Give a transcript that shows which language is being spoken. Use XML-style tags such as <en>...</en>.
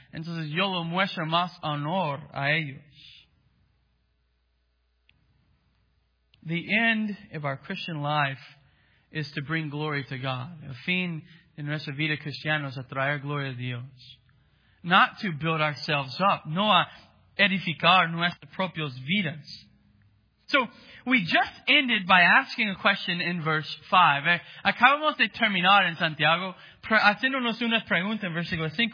<es>Entonces, yo lo muestro más honor a ellos.</es> <en>The end of our Christian life is to bring glory to God.</en> <es>El fin de nuestra vida cristiana es a traer gloria a Dios.</es> <en>Not to build ourselves up,</en> <es>no a edificar nuestras propias vidas.</es> <en>So, we just ended by asking a question in verse 5.</en> <es>Acabamos de terminar en Santiago haciéndonos una pregunta en versículo 5.</es>